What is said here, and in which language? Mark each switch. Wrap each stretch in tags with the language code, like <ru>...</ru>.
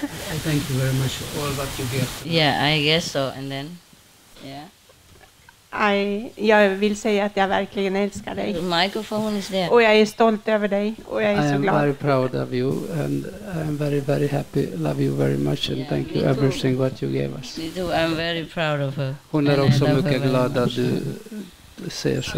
<en>I thank you very much for all that you gave. Yeah, I guess so. And then, yeah.</en> <sv>Jag vill säga att jag verkligen älskar dig.</sv> <en>The microphone is there.</en> <sv>Och jag är stolt över dig. Och jag är</sv> <en>I</en> <sv>så glad.</sv> <en>I am very proud of you, and I am very, very happy. Love you very much, and yeah, thank you too. Everything what you gave us. Me too. I'm very proud of her.</en> <sv>Hon är också mycket glad att du säger så.</sv>